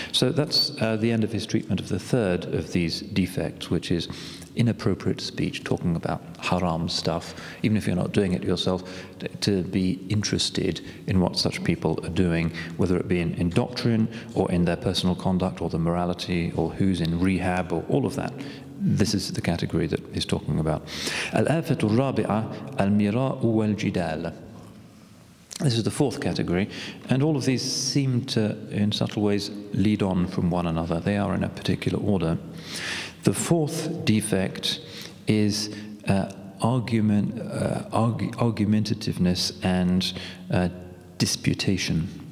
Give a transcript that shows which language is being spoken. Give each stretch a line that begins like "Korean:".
English: So that's the end of his treatment of the third of these defects, which is inappropriate speech, talking about haram stuff, even if you're not doing it yourself, to be interested in what such people are doing, whether it be in doctrine or in their personal conduct or the morality or who's in rehab or all of that. This is the category that he's talking about.
Arabic: الآفة الرابعة المراء والجدال.
English: This is the fourth category, and all of these seem to, in subtle ways, lead on from one another. They are in a particular order. The fourth defect is argumentativeness and disputation.